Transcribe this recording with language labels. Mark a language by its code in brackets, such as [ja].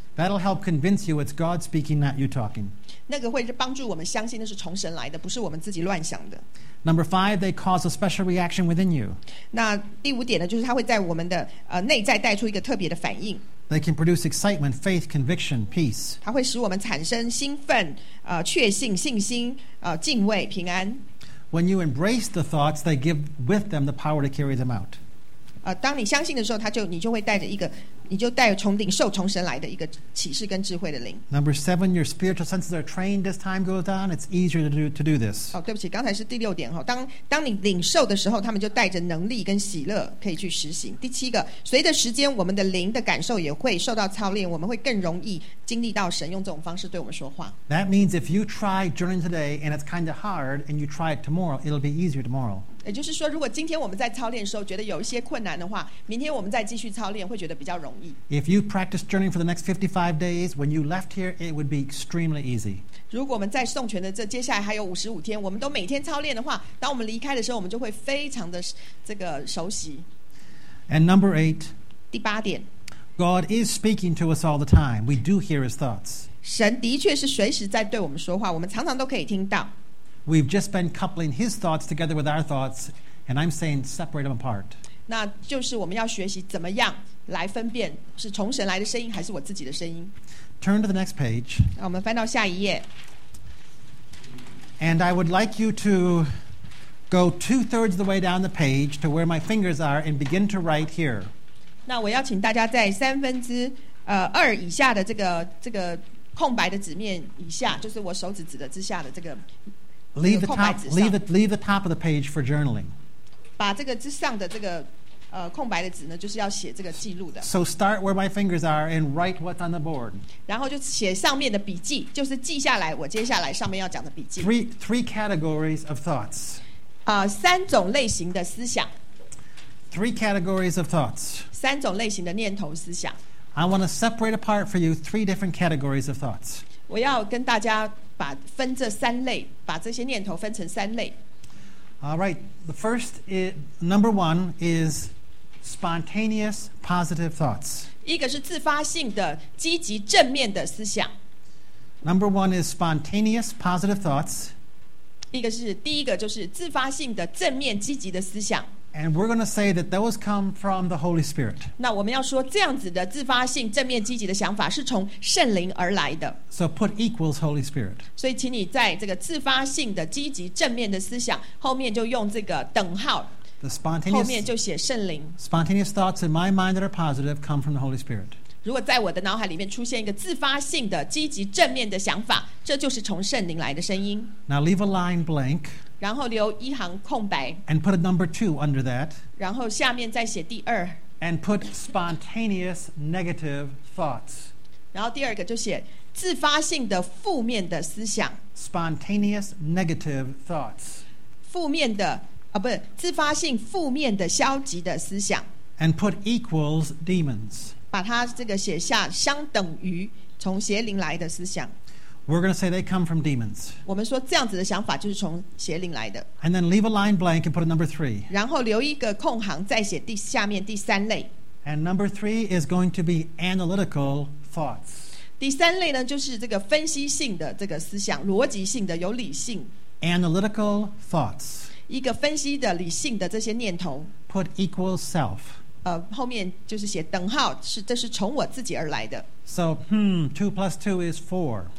[en] That'll help convince you it's God speaking, not you talking. [zh] 那个会帮助我们相信那是从神来的，不是我们自己乱想的。 [en] Number five, they cause a special reaction within you. [zh] 那第五点呢，就是它会在我们的内在带出一个特别的反应。 [en] They can produce excitement, faith, conviction, peace. [zh] 它会使我们产生兴奋、确信、信心、敬畏、平安。 [en] When you embrace the thoughts, they give with them the power to carry them out. [zh] 当你相信的时候，你就会带着一个。你就带从顶受从神来的一个启示跟智慧的灵。 [en] Number seven, your spiritual senses are trained as time goes on. It's easier to do this. [zh] 对不起，刚才是第六点哈。当你领受的时候，他们就带着能力跟喜乐可以去实行。第七个，随着时间，我们的灵的感受也会受到操练，我们会更容易经历到神用这种方式对我们说话。 [en] That means if you try journaling today and it's kind of hard, and you try it tomorrow, it'll be easier tomorrow. [zh] 也就是说，如果今天我们在操练的时候觉得有一些困难的话，明天我们再继续操练，会觉得比较容易。容易。 [en] If you practice journaling for the next 55 days, when you left here, it would be extremely easy. [zh] 如果我们在颂泉的这接下来还有55天，我们都每天操练的话，当我们离开的时候，我们就会非常的这个熟悉。 [en] And number 8. [zh] 第八点。 [en] God is speaking to us all the time. We do hear his thoughts. [zh] 神的确是随时在对我们说话，我们常常都可以听到。 [en] We've just been coupling his thoughts together with our thoughts, and I'm saying separate them apart. [zh] 那就是我们要学习怎么样来分辨是从神来的声音还是我自己的声音。 [en] Turn to the next page. [zh] 那我们翻到下一页。 [en] And I would like you to go two-thirds of the way down the page to where my fingers are and begin to write here. [zh] 那我要请大家在三分之二以下的这个空白的纸面以下，就是我手指指的之下的这个。 [en] Leave the top of the page for journaling. [zh] 把这个之上的这个空白的纸呢，就是要写这个记录的。 [en] So start where my fingers are and write what's on the board. [zh] 然后就写上面的笔记，就是记下来我接下来上面要讲的笔记。 [en] Three categories of thoughts. [zh] 三种类型的思想。 [en] Three categories of thoughts. [zh] 三种类型的念头思想。 [en] I want to separate apart for you three different categories of thoughts. [zh] 我要跟大家。把分这三类，把这些念头分成三类。 [en] All right, the first is, number one is spontaneous positive thoughts. [zh] 一个是自发性的积极正面的思想。 [en] Number one is spontaneous positive thoughts. [zh] 第一个就是自发性的正面积极的思想。 [en] And we're going to say that those come from the Holy Spirit. [zh] 那我们要说这样子的自发性正面积极的想法是从圣灵而来的。 [en] So put equals Holy Spirit. [zh] 所以请你在这个自发性的积极正面的思想后面就用这个等号。 [en] The spontaneous [zh] 后面就写圣灵。 [en] Spontaneous thoughts in my mind that are positive come from the Holy Spirit. [zh] 如果在我的脑海里面出现一个自发性的积极正面的想法，这就是从圣灵来的声音。 [en] Now leave a line blank. [zh] 然后留一行空白。 [en] And put a number two under that. [zh] 然后下面再写第二。 [en] And put spontaneous negative thoughts. [zh] 然后第二个就写自发性的负面的思想。 [en] Spontaneous negative thoughts. [zh] 负面的啊，不是自发性负面的消极的思想。 [en] And put equals demons. [zh] 把它这个写下相等于从邪灵来的思想。 [en] We're going to say they come from demons. [zh] 我们说这样子的想法就是从邪灵来的。 [en] And then leave a line blank and put a number three. [zh] 然后留一个空行，再写下面第三类。 [en] And number three is going to be analytical thoughts. [zh] 第三类呢，就是这个分析性的这个思想，逻辑性的，有理性。 [en] Analytical thoughts. [zh] 一个分析的，理性的这些念头。 [en] Put equal self. [zh] 后面就是写等号，是这是从我自己而来的。 [en] So, 2 plus 2 is 4.